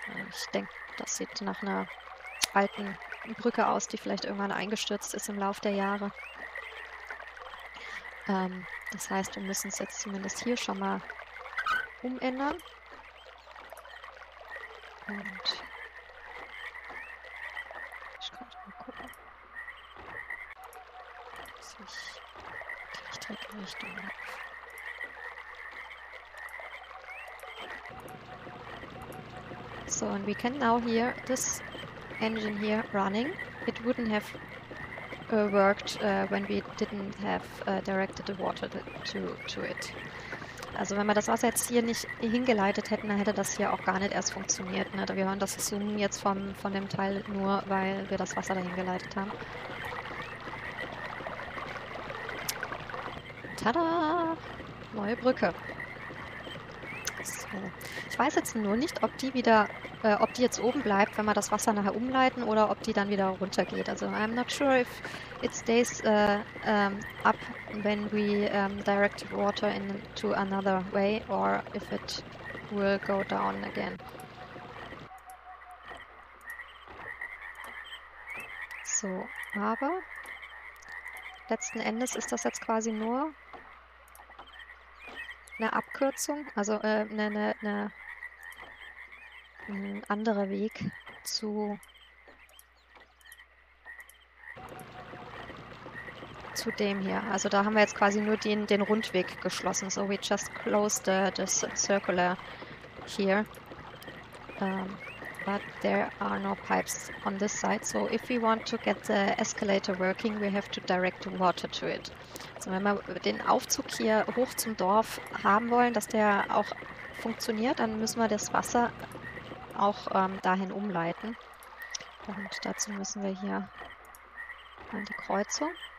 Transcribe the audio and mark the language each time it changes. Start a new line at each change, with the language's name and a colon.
German: Ich denke, das sieht nach einer alten Brücke aus, die vielleicht irgendwann eingestürzt ist im Laufe der Jahre. Das heißt, wir müssen es jetzt zumindest hier schon mal umändern. Und ich kann mal gucken, dass ich die richtige Richtung habe.
English: So, and we can now hear this engine here running. It wouldn't have worked when we didn't have directed the water to it.
German: Also wenn wir das Wasser jetzt hier nicht hingeleitet hätten, dann hätte das hier auch gar nicht erst funktioniert. Ne? Wir hören das Zoomen jetzt von dem Teil nur, weil wir das Wasser dahin geleitet haben. Tada! Neue Brücke. So. Ich weiß jetzt nur nicht, ob die wieder, ob die jetzt oben bleibt, wenn wir das Wasser nachher umleiten, oder ob die dann wieder runtergeht.
English: Also I'm not sure if it stays up when we direct water into another way, or if it will go down again.
German: So, aber letzten Endes ist das jetzt quasi nur eine Abkürzung, also ein anderer Weg zu dem hier. Also da haben wir jetzt quasi nur den Rundweg geschlossen.
English: So, we just closed the circular here. But there are no pipes on this side. So if we want to get the escalator working, we have to direct water to it.
German: So, wenn wir den Aufzug hier hoch zum Dorf haben wollen, dass der auch funktioniert, dann müssen wir das Wasser auch dahin umleiten. Und dazu müssen wir hier an die Kreuzung.